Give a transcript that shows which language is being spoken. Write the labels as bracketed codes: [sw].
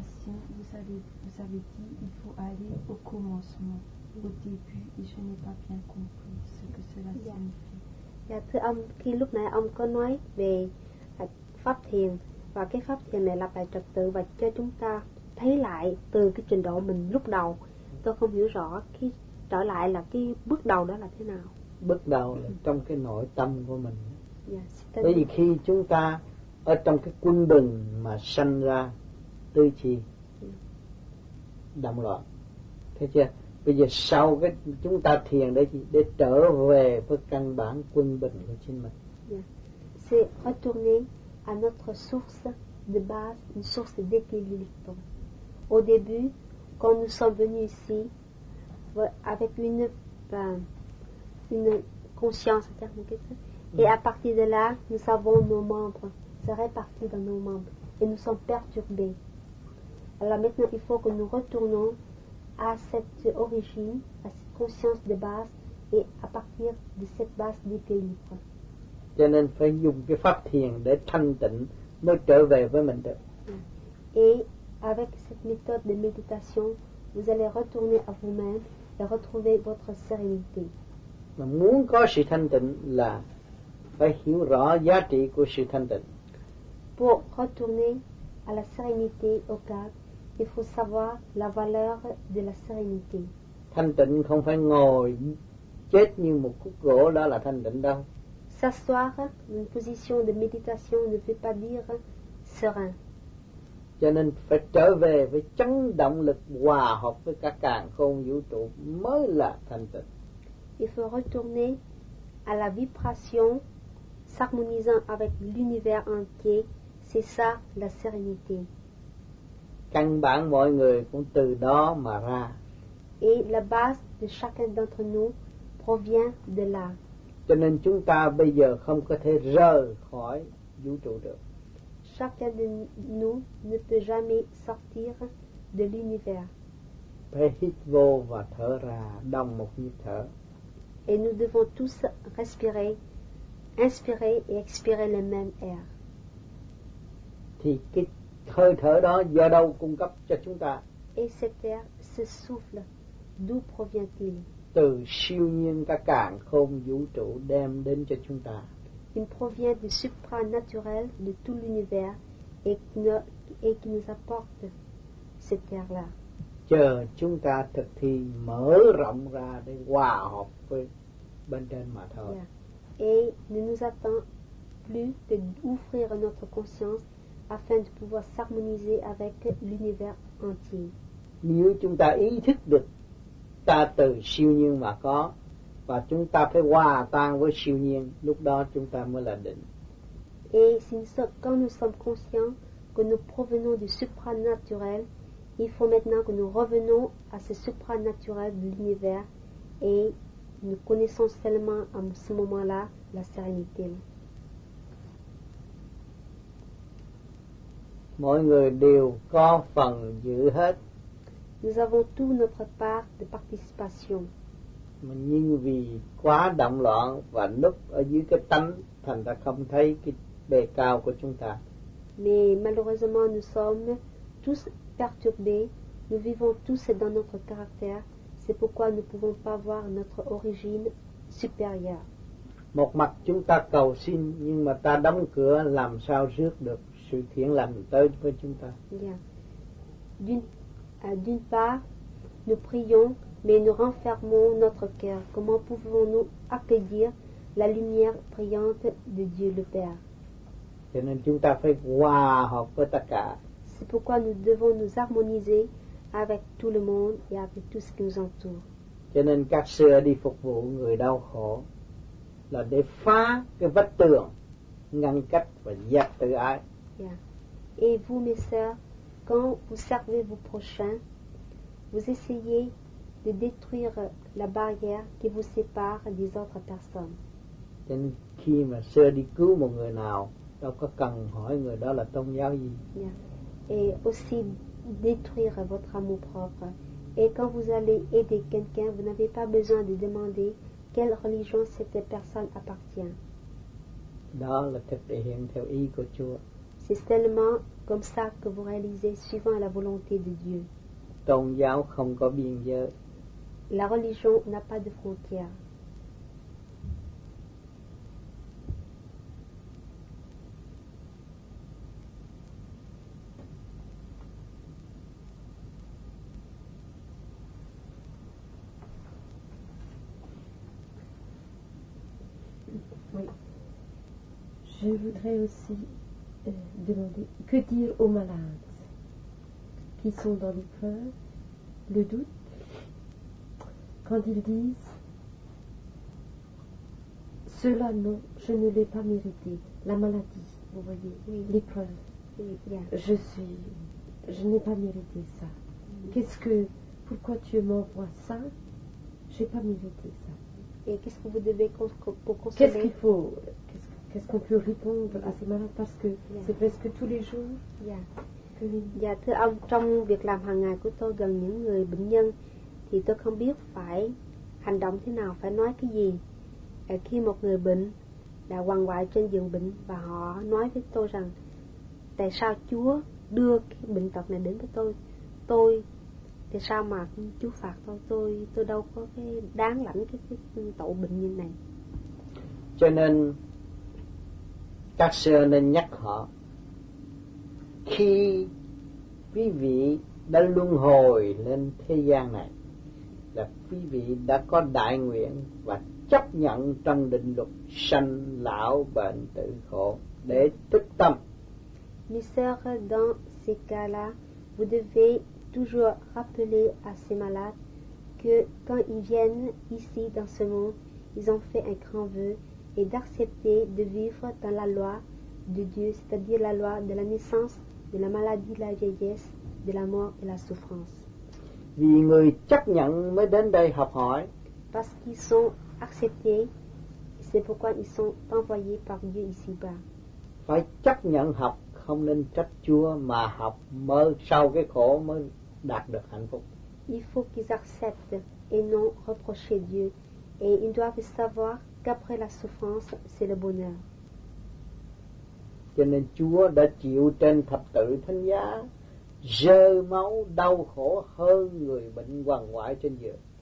[fr] Vous avez dit il faut aller au commencement, au début, et je n'ai pas bien compris ce que cela signifie. [vi] Yeah, thưa ông, khi lúc nãy ông có nói về pháp thiền, và cái pháp thiền này là bài trật tự và cho chúng ta thấy lại từ cái trình độ mình lúc đầu, tôi không hiểu rõ khi trở lại là cái bước đầu đó là thế nào. Bước đầu là trong cái nội tâm của mình. Yeah, bởi vì khi chúng ta ở trong cái quân bình mà sanh ra tư chi động loạn, thấy chưa? Bây giờ sau cái chúng ta thiền để trở về với căn bản quân bình của chính mình. Yeah. [fr] C'est retourner à notre source de base, une source d'équilibre. Au début, quand nous sommes venus ici avec une conscience interne, et à partir de là, nous avons nos membres, se répartissent dans nos membres, et nous sommes perturbés. Alors maintenant, il faut que nous retournions à cette origine, à cette conscience de base, et à partir de cette base d'équilibre. [vi] Cho nên phải dùng cái pháp thiền để thanh tịnh mới trở về với mình được. [fr] Et avec cette méthode de méditation, vous allez retourner à vous-même et retrouver votre sérénité. [vi] Mà muốn có sự thanh tịnh là phải hiểu rõ giá trị của sự thanh tịnh. [fr] Pour retourner à la sérénité, au calme, il faut savoir la valeur de la sérénité. [vi] Thanh tịnh không phải ngồi chết như một khúc gỗ, đó là thanh tịnh đâu. [fr] S'asseoir dans une position de méditation ne veut pas dire serein. [vi] Cho nên phải trở về với chấn động lực hòa hợp với cả càn khôn vũ trụ mới là thanh tịnh. [fr] Il faut retourner à la vibration s'harmonisant avec l'univers entier, c'est ça la sérénité. [vi] Căn bản mọi người cũng từ đó mà ra. [fr] Et la base de chacun d'entre nous provient de là. [vi] Cho nên chúng ta bây giờ không có thể rời khỏi vũ trụ được. [fr] Chacun de nous ne peut jamais sortir de l'univers. [vi] Phải hít vô và thở ra đồng một nhịp thở. [fr] Et nous devons tous respirer, inspirer et expirer le même air. [vi] Thì cái hơi thở đó do đâu cung cấp cho chúng ta? [fr] Et cet air, ce souffle, d'où provient-il? [vi] Từ siêu nhiên cả càn khôn vũ trụ đem đến cho chúng ta. [fr] Il provient du supranaturel de tout l'univers et qui nous apporte cet air-là. [vi] chờ chúng ta thực thi mở rộng ra để hòa hợp với bên trên mà thôi. Yeah. [fr] Et ne nous attend plus de d'ouvrir notre conscience afin de pouvoir s'harmoniser avec l'univers entier. [vi] Nếu chúng ta ý thức được ta từ siêu nhiên mà có và chúng ta phải hòa tan với siêu nhiên, lúc đó chúng ta mới là định. [fr] Et si nous sommes, quand nous sommes conscients que nous provenons du supranaturel, il faut maintenant que nous revenons à ce supranaturel de l'univers et nous connaissons seulement à ce moment-là la sérénité. [vi] Mọi người đều có phần giữ hết. [fr] Nous avons tout notre part de participation. [vi] Nhưng vì quá động loạn và núp ở dưới cái tánh, thành ra không thấy cái bề cao của chúng ta. [fr] Mais malheureusement, nous sommes tous perturbés. Nous vivons tous dans notre caractère. C'est pourquoi nous ne pouvons pas voir notre origine supérieure. [vi] Một mặt chúng ta cầu xin, nhưng mà ta đóng cửa làm sao rước được sự thiện lành tới với chúng ta. Yeah. [fr] D'une part, nous prions, mais nous renfermons notre cœur. Comment pouvons-nous accueillir la lumière brillante de Dieu le Père? [vi] Cho nên chúng ta phải hòa hợp với tất cả. [fr] C'est pourquoi nous devons nous harmoniser avec tout le monde et avec tout ce qui nous entoure. [vi] Cho nên các xưa đi phục vụ người đau khổ là để phá cái vách tường ngăn cách và dẹp tự ái. Yeah. [fr] Et vous, mes sœurs, quand vous servez vos prochains, vous essayez de détruire la barrière qui vous sépare des autres personnes. [vi] Cho nên khi mà xưa đi cứu một người nào, đâu có cần hỏi người đó là tôn giáo gì. Yeah. [fr] Et aussi détruire votre amour propre. Et quand vous allez aider quelqu'un, vous n'avez pas besoin de demander quelle religion cette personne appartient. [vi] Đó là thực hiện theo ý của Chúa. [fr] C'est seulement comme ça que vous réalisez suivant la volonté de Dieu. [vi] Tôn giáo không có biên giới. [fr] La religion n'a pas de frontières. Je voudrais aussi demander que dire aux malades qui sont dans les peurs, le doute, quand ils disent cela non, je ne l'ai pas mérité, la maladie, vous voyez, oui. Les peurs, oui, yeah. Je n'ai pas mérité ça. Oui. Pourquoi tu m'envoies ça? Je n'ai pas mérité ça. Et qu'est-ce que vous devez pour consoler? Qu'est-ce qu'on peut répondre à ces malades parce que yeah. C'est presque tous les jours. Yeah. [vi] Dạ, thưa ông, trong việc làm hàng ngày của tôi gần những người bệnh nhân thì tôi không biết phải hành động thế nào, phải nói cái gì. Khi một người bệnh đã quằn quại trên giường bệnh và họ nói với tôi rằng tại sao Chúa đưa cái bệnh tật này đến với tôi tại sao mà Chúa phạt tôi đâu có cái đáng lãnh cái tội bệnh như này. Cho nên các sư nên nhắc họ, khi quý vị đã luân hồi lên thế gian này là quý vị đã có đại nguyện và chấp nhận trong định luật sanh lão bệnh tử khổ để thức tâm. [fr] Mes sœurs, dans ces cas-là, vous devez toujours rappeler à ces malades que quand ils viennent ici dans ce monde, ils ont fait un grand vœu et d'accepter de vivre dans la loi de Dieu, c'est-à-dire la loi de la naissance, de la maladie, de la vieillesse, de la mort et de la souffrance. [vi] Vì người chấp nhận mới đến đây học hỏi. [fr] Parce qu'ils sont acceptés, c'est pourquoi ils sont envoyés par Dieu ici-bas. [vi] Phải chấp nhận học, không nên trách Chúa, mà học mơ sau cái khổ mới đạt được hạnh phúc. [fr] Il faut qu'ils acceptent et non reprocher Dieu. Et ils doivent savoir qu'après la souffrance, c'est le bonheur. [vi] Cho nên Chúa đã chịu trên thập tự thánh giá dơ máu đau khổ hơn người bệnh quằn quại trên giường.